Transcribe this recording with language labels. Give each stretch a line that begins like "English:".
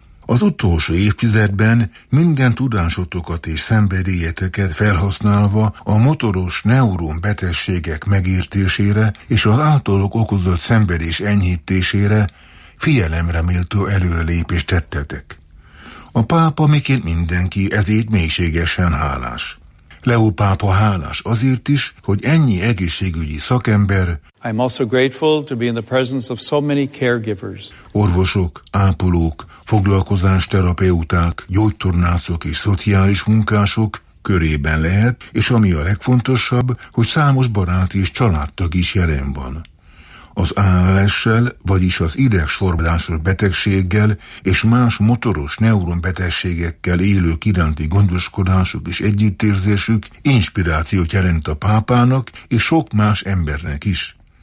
Hungarian: Az utolsó évtizedben minden tudásotokat és szenvedélyeteket felhasználva a motoros neurón betegségek megértésére és az általuk okozott szenvedés enyhítésére figyelemre méltó előrelépést tettetek. A pápa, miként mindenki, ezért mélységesen hálás. Leó pápa hálás azért is, hogy ennyi egészségügyi szakember,
English: I'm also grateful to be in the presence of so many caregivers.
Hungarian: Orvosok, ápolók, foglalkozásterapeuták, gyógytornászok és szociális munkások körében lehet, és ami a legfontosabb, hogy számos barát és családtag is jelen van. Az ALS-sel, vagyis az idegsorbadásos betegséggel és más motoros neuronbetegségekkel élők iránti gondoskodásuk és együttérzésük inspirációt jelent a pápának és sok más embernek is.